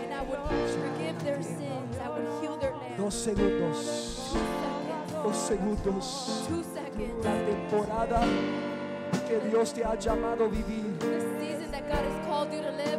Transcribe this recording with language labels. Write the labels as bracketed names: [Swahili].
[English] and I would forgive their sins, I would heal their land. [Spanish] 2 segundos. 2 segundos. [English] 2 seconds. [Spanish] La temporada que Dios te ha llamado a vivir, [English] the season that God has called you to live,